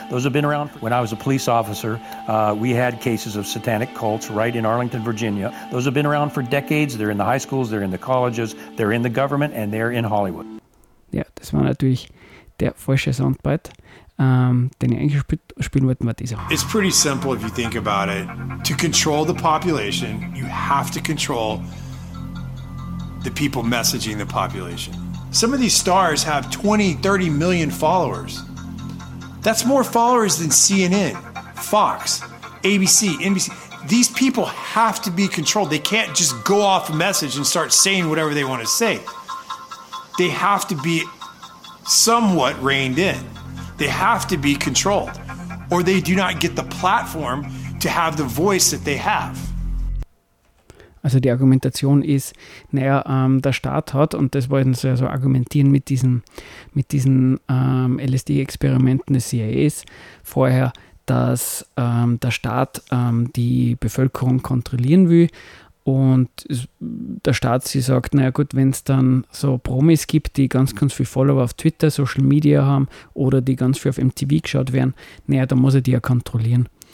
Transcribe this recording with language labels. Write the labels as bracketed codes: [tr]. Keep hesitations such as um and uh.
[en] Those have been around when I was a police officer. Uh, we had cases of satanic cults right in Arlington, Virginia. Those have been around for decades. They're in the high schools, they're in the colleges, they're in the government, and they're in Hollywood. [de] ja, das war natürlich der falsche Soundbite, ähm, den ich eigentlich sp- spielen wollte, war dieser. [en] It's pretty simple if you think about it. To control the population, you have to control the people messaging the population. Some of these stars have 20, 30 million followers. That's more followers than CNN, Fox, ABC, NBC. These people have to be controlled. They can't just go off a message and start saying whatever they want to say. They have to be somewhat reined in. They have to be controlled, or they do not get the platform to have the voice that they have. [de] Also die Argumentation ist, naja, ähm, der Staat hat, und das wollten sie ja so argumentieren mit diesen, mit diesen ähm, LSD-Experimenten des CIAs vorher, dass ähm, der Staat ähm, die Bevölkerung kontrollieren will und es- der Staat sie sagt, naja gut, wenn es dann so Promis gibt, die ganz, ganz viel Follower auf Twitter, Social Media haben oder die ganz viel auf MTV geschaut werden, naja, dann muss er die ja kontrollieren.